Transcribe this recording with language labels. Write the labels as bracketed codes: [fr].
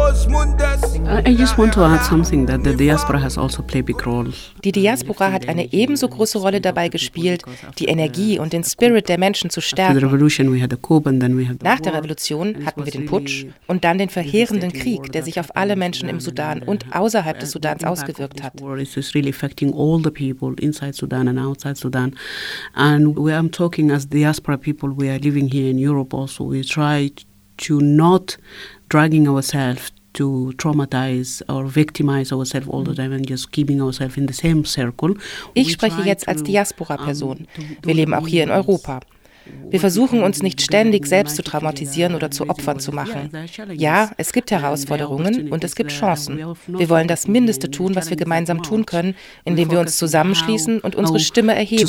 [en] I just want to add something that the diaspora has also played a big role. [de] Die Diaspora hat eine ebenso große Rolle dabei gespielt, die Energie und den Spirit der Menschen zu stärken. Nach der Revolution hatten wir den Putsch und dann den verheerenden Krieg, der sich auf alle Menschen im Sudan und außerhalb des Sudans ausgewirkt hat. [en] It is really affecting all the people inside Sudan and outside Sudan. And we are talking as diaspora people, we are living here in Europe also. We try to not dragging ourselves to traumatize or victimize ourselves all the time and just keeping ourselves in the same circle. [de] Ich spreche jetzt als Diaspora-Person. Wir leben auch hier in Europa. Wir versuchen uns nicht ständig selbst zu traumatisieren oder zu Opfern zu machen. Ja, es gibt Herausforderungen und es gibt Chancen. Wir wollen das Mindeste tun, was wir gemeinsam tun können, indem wir uns zusammenschließen und unsere Stimme erheben.